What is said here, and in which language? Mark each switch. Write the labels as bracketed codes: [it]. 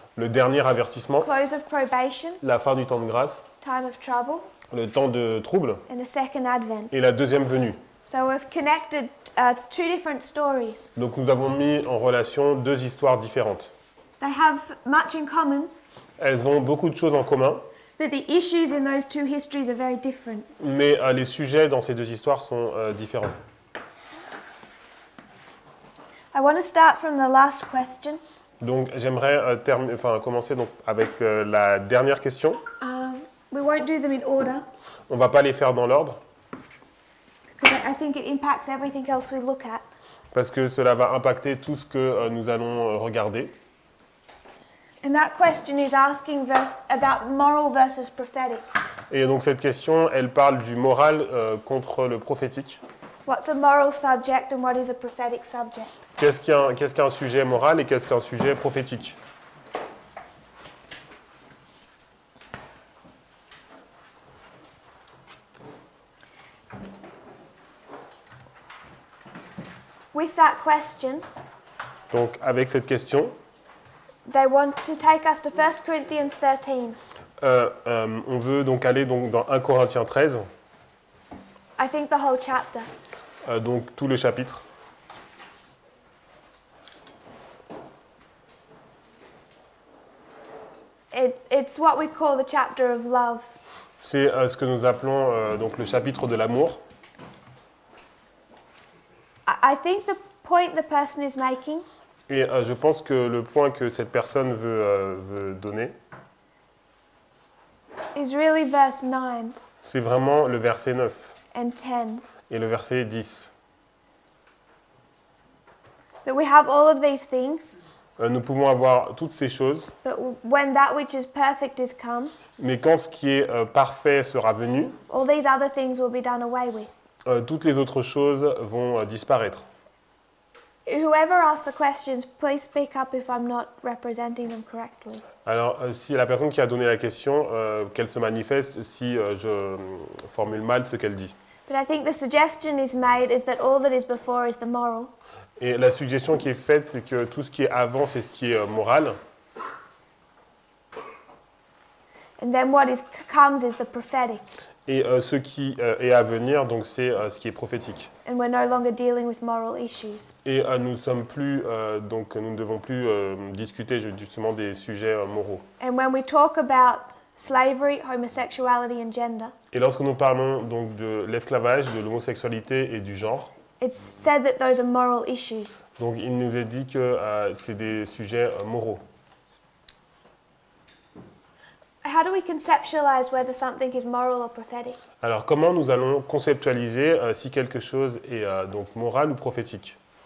[fr] Le dernier avertissement. [en] Close of probation. [fr] La fin du temps de grâce. [en] Time of trouble. [fr] Le temps de trouble. [en] And the second advent. [fr] Et la deuxième venue. [en] So we've connected two different stories. [fr] Donc nous avons mis en relation deux histoires différentes. [en] They have much in common. [fr] Elles ont beaucoup de choses en commun. [en] But the issues in those two histories are very different. [fr] Mais les sujets dans ces deux histoires sont différents. [en] I want to start from the last question. [fr] Donc j'aimerais commencer donc avec la dernière question. [en] We won't do them in order. [fr] On va pas les faire dans l'ordre. [en] Because I think it impacts everything else we look at. [fr] Parce que cela va impacter tout ce que nous allons regarder. [en] And that question is asking about moral versus prophetic. [fr] Et donc cette question, elle parle du moral contre le prophétique. [en] What's a moral subject and what is a prophetic subject? [fr] Qu'est-ce qu'un sujet moral et qu'est-ce qu'un sujet prophétique? [en] With that question. [fr] Donc avec cette question. [en] They want to take us to 1 Corinthians 13. [fr] On veut donc aller donc dans 1 Corinthiens 13. [en] I think the whole chapter. [fr] Donc tout le chapitre. [en] It's what we call the chapter of love. [fr] C'est ce que nous appelons donc le chapitre de l'amour. [en] I think the point the person is making. [fr] Et je pense que le point que cette personne veut donner. [en] Is really verse 9. [fr] C'est vraiment le verset 9. [en] And 10. [fr] Et le verset 10. [en] That we have all of these things. [fr] Nous pouvons avoir toutes ces choses. [en] But when that which is perfect is come. [fr] Mais quand ce qui est parfait sera venu. [en] All these other things will be done away with. [fr] Toutes les autres choses vont disparaître. [en] Whoever asked the questions, please speak up if I'm not representing them correctly. [fr] Alors si la personne qui a donné la question qu'elle se manifeste si je formule mal ce qu'elle dit. [en] But I think the suggestion is made is that all that is before is the moral. [fr] Et la suggestion qui est faite, c'est que tout ce qui est avant, c'est ce qui est moral. [en] And then what is, comes is the prophetic. [fr] Et ce qui est à venir, donc c'est ce qui est prophétique. [en] And we're no longer dealing with moral issues. [fr] Et nous sommes plus, donc nous ne devons plus discuter justement des sujets moraux. [en] And when we talk about slavery, homosexuality and gender. [fr] Et lorsque nous parlons donc de l'esclavage, de l'homosexualité et du genre. [en] It's said that those are moral issues. [fr] Donc il nous est dit que c'est des sujets moraux. [en] How do we conceptualize whether something is moral or prophetic? [fr] Alors comment nous allons conceptualiser si quelque chose est donc moral ou prophétique?